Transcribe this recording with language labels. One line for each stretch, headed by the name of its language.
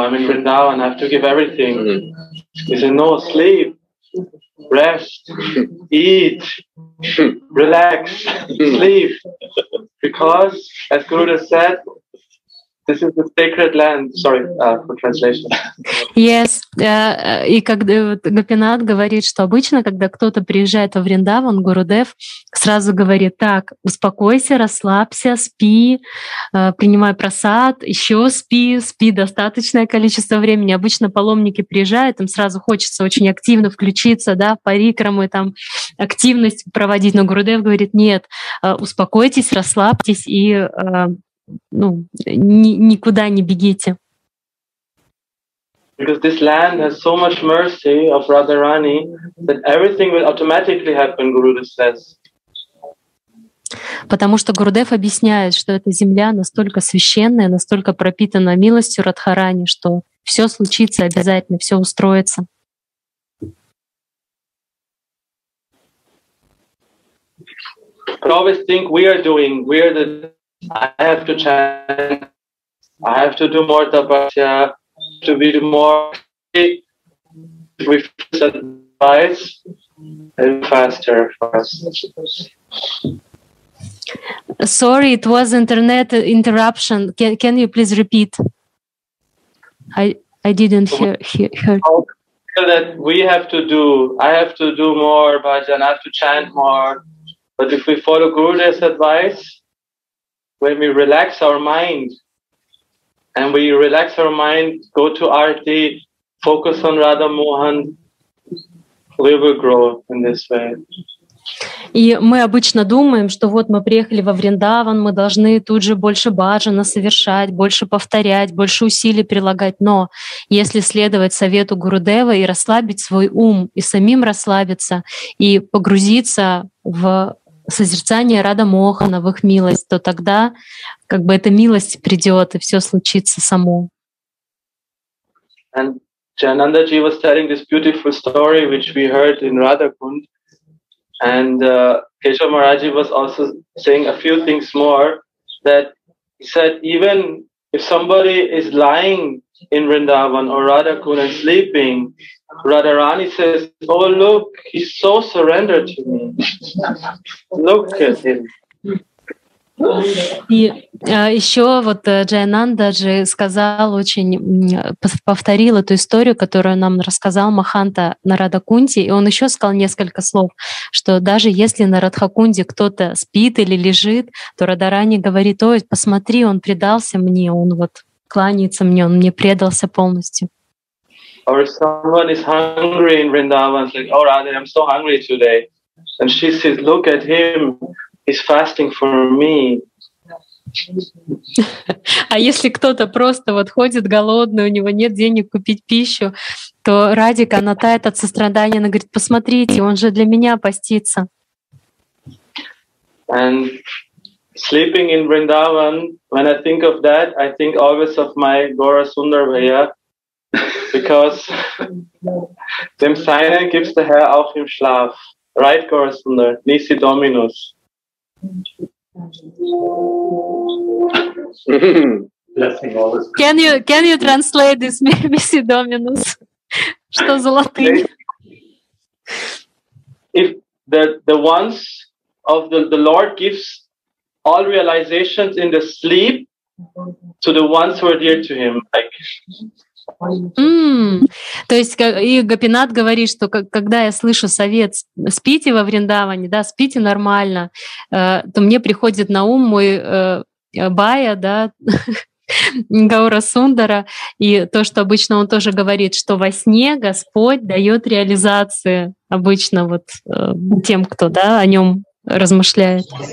English: I'm in Vrindavan, I have to give everything. He said, no, sleep. Rest, eat, relax, sleep. Because, as Gurudev said, this is the sacred land. Sorry for translation. Yes.
Russian: И когда вот, Гопинат говорит, что обычно, когда кто-то приезжает во Вриндаван, Гурудев сразу говорит, так, успокойся, расслабься, спи, принимай просад, еще спи достаточное количество времени. Обычно паломники приезжают, им сразу хочется очень активно включиться, да, в парикраму и там активность проводить, но Гурудев говорит, нет, успокойтесь, расслабьтесь и никуда не бегите.
English: Because this land has so much mercy of Radharani that everything will automatically happen, Gurudev says.
Russian: Потому что Гурудев объясняет, что эта земля настолько священная, настолько пропитана милостью Радхарани, что все случится обязательно, все устроится.
English: But always think we are the I have to do more tapasya. To be more, with advice, and faster for us. Sorry, it was internet interruption. Can you please repeat? I didn't hear. I have to do more bhajan, I have to chant more. But if we follow Guru's advice, when we relax our mind, and we relax our mind, go to Arati, focus on Radha Mohan, we will grow in this way.
Russian: И мы обычно думаем, что вот мы приехали во Вриндаван, мы должны тут же больше баджана совершать, больше повторять, больше усилий прилагать. Но если следовать совету Гурудева и расслабить свой ум, и самим расслабиться, и погрузиться в созерцание Радха Мохана, в их милость, то тогда как бы эта милость придет, и все случится само.
English: And Jayananda Ji was telling this beautiful story, which we heard in Radhakund, and Keshav Maharaji was also saying a few things more, that he said, even if somebody is lying in Vrindavan or Radhakund and sleeping, Radharani says, oh, look, he's so surrendered to me. Look at him.
Russian: И еще вот Джайананда же сказал очень, повторил эту историю, которую нам рассказал Маханта на Радхакунде, и он еще сказал несколько слов, что даже если на Радхакунде кто-то спит или лежит, то Радхарани говорит, ой, посмотри, он предался мне, он вот кланяется мне, он мне предался полностью.
English: Or someone is hungry in Vrindavan, like, oh, Radha, I'm so hungry today. And she says, look at him, he's fasting for me.
Russian: А если кто-то просто вот ходит голодный, у него нет денег купить пищу, то Радика, она тает от сострадания, она говорит, посмотрите, он же для меня постится.
English: And sleeping in Vrindavan, when I think of that, I think always of my Gora Sundarvaya.
German: Because dem Seinen gibt's der Herr auch im Schlaf.
English: Right, Gorasundar? Nisi Dominus. Can you translate this, Nisi Dominus?
Russian: Что за латынь?
English: If the ones of the Lord gives all realizations in the sleep to the ones who are dear to him, like
Russian: То есть и Гопинат говорит, что когда я слышу совет «спите во Вриндаване», да, «спите нормально», то мне приходит на ум мой Бая, да, Гаура Сундара, и то, что обычно он тоже говорит, что во сне Господь дает реализации обычно вот тем, кто, да, о нем размышляет.